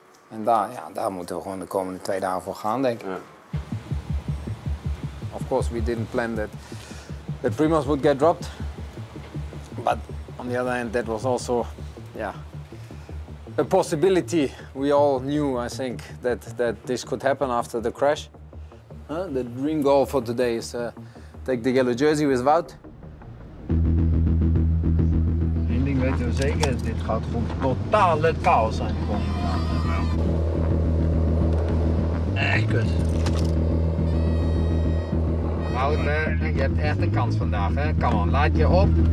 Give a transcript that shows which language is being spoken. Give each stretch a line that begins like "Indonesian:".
Dutch: En daar moeten we gewoon de komende 2 dagen voor gaan, denk ik.
English: Yeah. Of course, we didn't plan that Primoz would get dropped. But on the other hand, that was also. Yeah, a possibility we all knew, I think, that this could happen after the crash. The dream goal for today is take the yellow jersey with Wout.
Dutch: Eén ding weten we zeker, dit gaat gewoon totale chaos zijn. Kut. Wout, je hebt echt een kans vandaag.
English: Come on,
Dutch: laat je op.